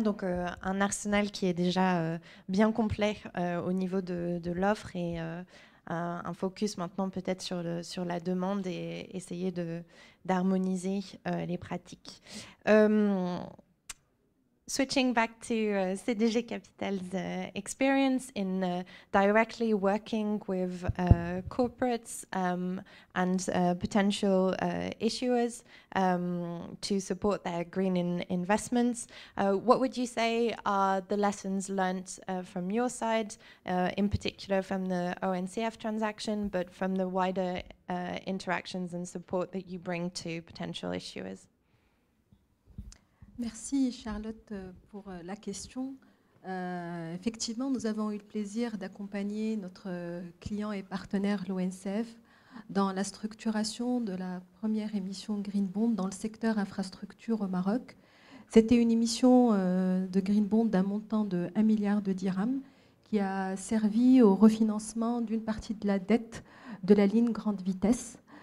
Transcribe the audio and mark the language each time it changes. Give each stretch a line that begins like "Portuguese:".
French: Donc un arsenal qui est déjà bien complet au niveau de l'offre et un focus maintenant peut-être sur la demande et essayer d'harmoniser les pratiques.
English: Switching back to CDG Capital's experience in directly working with corporates and potential issuers to support their green investments, what would you say are the lessons learnt from your side, in particular from the ONCF transaction, but from the wider interactions and support that you bring to potential issuers?
French: Merci Charlotte pour la question. Effectivement, nous avons eu le plaisir d'accompagner notre client et partenaire, l'ONCF, dans la structuration de la première émission Green Bond dans le secteur infrastructure au Maroc. C'était une émission de Green Bond d'un montant de 1 milliard de dirhams qui a servi au refinancement d'une partie de la dette de la ligne grande vitesse.